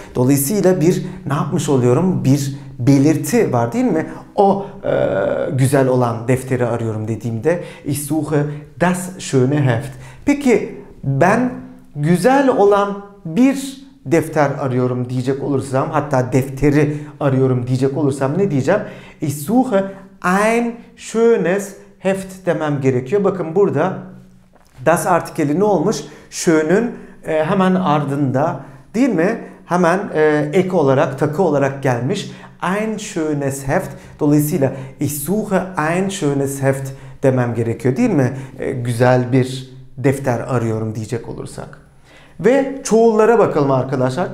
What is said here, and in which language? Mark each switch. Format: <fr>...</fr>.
<tr>Dolayısıyla bir ne yapmış oluyorum? Bir belirti var değil mi? O güzel olan defteri arıyorum dediğimde</tr> <de>ich suche das schöne Heft.</de> <tr>Peki ben güzel olan bir defter arıyorum diyecek olursam, hatta defteri arıyorum diyecek olursam ne diyeceğim?</tr> <de>Ich suche ein schönes Heft</de> <tr>demem gerekiyor. Bakın burada das artikeli ne olmuş? Schön'ün hemen ardında değil mi? Hemen ek olarak, takı olarak gelmiş.</tr> <de>Ein schönes Heft.</de> <tr>Dolayısıyla</tr> <de>ich suche ein schönes Heft</de> <tr>demem gerekiyor değil mi? Güzel bir defter arıyorum diyecek olursak. Ve çoğullara bakalım arkadaşlar.</tr>